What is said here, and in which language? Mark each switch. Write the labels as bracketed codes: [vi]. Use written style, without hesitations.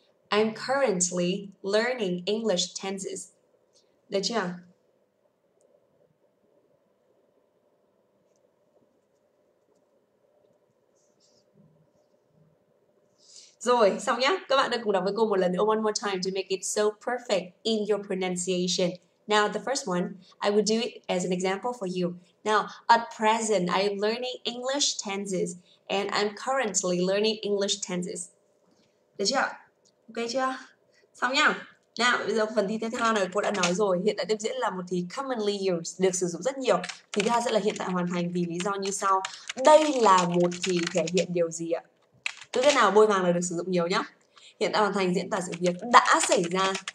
[en] I'm currently learning English tenses. [vi] Được chưa? Rồi, xong nhá. Các bạn đã cùng đọc với cô một lần nữa. [en] One more time to make it so perfect in your pronunciation. Now, the first one, I will do it as an example for you. Now, at present, I am learning English tenses and I'm currently learning English tenses. [vi] Được chưa? Ok chưa? Xong nhá. Nào, bây giờ phần thi tiếp theo này cô đã nói rồi. Hiện tại tiếp diễn là một thì commonly used, được sử dụng rất nhiều. Thì thứ hai sẽ là hiện tại hoàn thành vì lý do như sau. Đây là một thì thể hiện điều gì ạ? Cứ cái nào bôi vàng là được sử dụng nhiều nhá. Hiện tại hoàn thành diễn tả sự việc đã xảy ra.